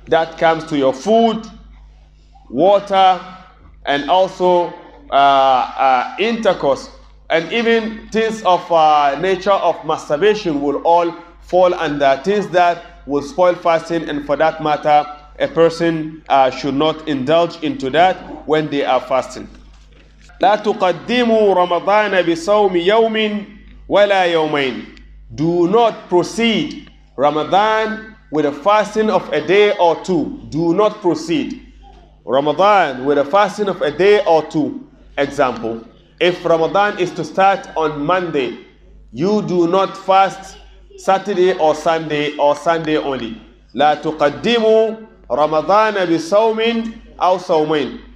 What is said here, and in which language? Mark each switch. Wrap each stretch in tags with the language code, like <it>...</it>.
<en>That comes to your food, water, and also intercourse, and even things of nature of masturbation will all fall under things that will spoil fasting, and for that matter, a person should not indulge into that when they are fasting.</en> <ar>لا تقدموا رمضان بصوم يوم ولا يومين.</ar> <en>Do not proceed Ramadan with a fasting of a day or two. Do not proceed Ramadan with a fasting of a day or two. Example, if Ramadan is to start on Monday, you do not fast Saturday or Sunday, or Sunday only.</en> <ar>لا تقدموا رمضان بصوم أو صومين.</ar>